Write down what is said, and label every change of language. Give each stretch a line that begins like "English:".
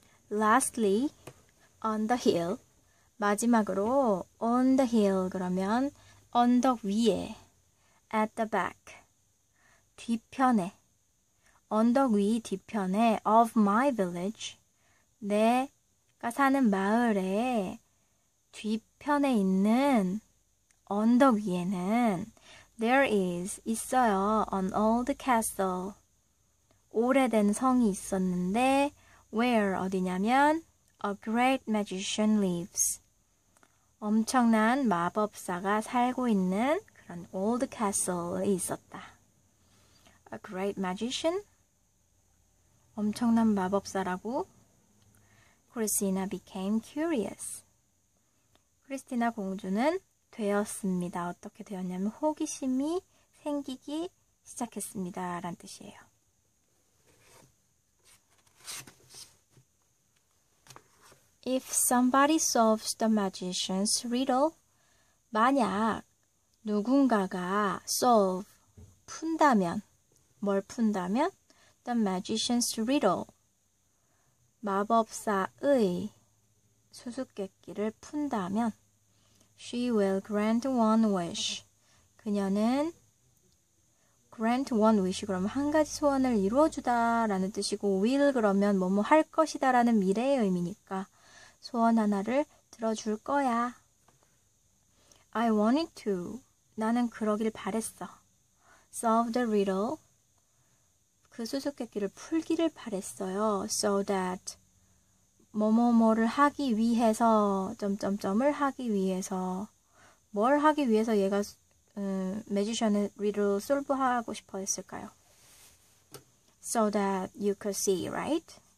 English: 'Lastly, on the hill'
Korean: 마지막으로 'on the hill' 그러면 언덕 위에
English: 'at the back'
Korean: 뒤편에 언덕 위 뒤편에
English: 'of my village'
Korean: 내가 사는 마을의 뒤편에 있는 언덕 위에는
English: there is
Korean: 있어요.
English: an old castle.
Korean: 오래된 성이 있었는데
English: where
Korean: 어디냐면
English: a great magician lives.
Korean: 엄청난 마법사가 살고 있는 그런
English: old castle
Korean: 이 있었다.
English: a great magician?
Korean: 엄청난 마법사라고?
English: Christina became curious.
Korean: 크리스티나 공주는 되었습니다. 어떻게 되었냐면 호기심이 생기기 시작했습니다. 라는 뜻이에요.
English: 'If somebody solves the magician's riddle',
Korean: 만약 누군가가
English: solve
Korean: 푼다면, 뭘 푼다면?
English: 'The magician's riddle',
Korean: 마법사의 수수께끼를 푼다면,
English: She will grant one wish.
Korean: 그녀는
English: grant one wish.
Korean: 그러면 한 가지 소원을 이루어주다라는 뜻이고, will 그러면 뭐뭐 할 것이다라는 미래의 의미니까, 소원 하나를 들어줄 거야.
English: I wanted to.
Korean: 나는 그러길 바랬어.
English: Solve the riddle.
Korean: 그 수수께끼를 풀기를 바랬어요.
English: So that.
Korean: 뭐뭐뭐를 하기 위해서, 점점점을 하기 위해서, 뭘 하기 위해서 얘가, 매지션의 리를 솔브하고 싶어 했을까요?
English: So that you could see, right?